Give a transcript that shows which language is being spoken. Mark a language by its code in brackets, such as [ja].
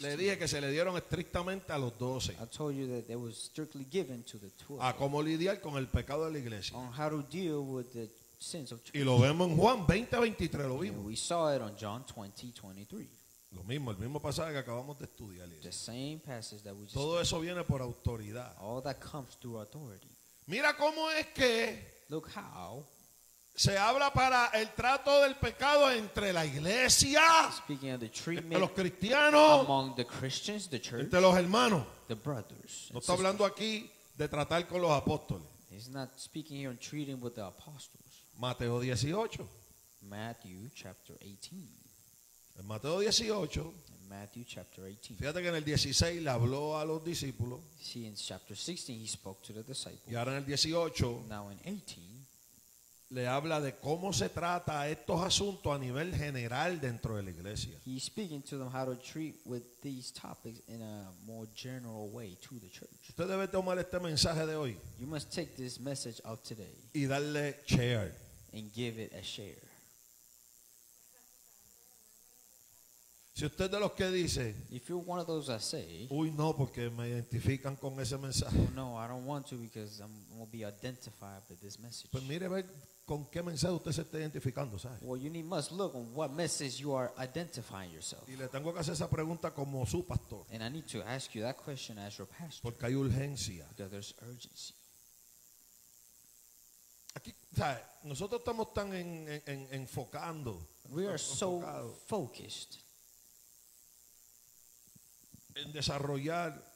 [es] le dije que se le dieron estrictamente a los 12, [en] I told you that they were strictly given to the 12, [es] a cómo lidiar con el pecado de la iglesia, [en] on how to deal with the sins of church. [es] Y lo vemos en Juan 20-23, lo vimos. [en] And we saw it on John 20-23. [es] Lo mismo, el mismo pasaje que acabamos de estudiar. [en] The same passage that we just [es] todo eso viene por autoridad. [en] All that comes through authority. [es] Mira cómo es que [en] look how [es] se habla para el trato del pecado entre la iglesia, [en] speaking of the treatment, [es] entre los cristianos, [en] among the Christians, the church, [es] entre los hermanos, [en] the brothers, [es] no está hablando aquí de tratar con los apóstoles. [en] He's not speaking here on treating with the apostles. [es] Mateo 18. [en] Matthew chapter 18. [es] En Mateo 18. [en] Matthew chapter 18. [es] Fíjate que en el 16 le habló a los discípulos. [en] See, in chapter 16 he spoke to the disciples. [es] Y ahora en el 18, [en] now in 18, [es] le habla de cómo se trata estos asuntos a nivel general dentro de la iglesia. [en] He's speaking to them how to treat with these topics in a more general way to the church. [es] Usted debe tomar este mensaje de hoy. [en] You must take this message out today. [es] Y darle share. [en] And give it a share. [es] Si usted es de los que dice, [en] if you're one of those that say, [es] uy no, porque me identifican con ese mensaje. [en] No, I don't want to because I'm will be identified with this message. [es] Pues mire ver con qué mensaje usted se está identificando, ¿sabe? [en] Well, you must look on what message you are identifying yourself. [es] Y le tengo que hacer esa pregunta como su pastor. [en] And I need to ask you that question as your pastor. [es] Porque hay urgencia. [en] Because there's urgency. [es] Aquí, ¿sabe? Nosotros estamos tan en enfocando. [en] We are enfocado. So focused. [es] En desarrollar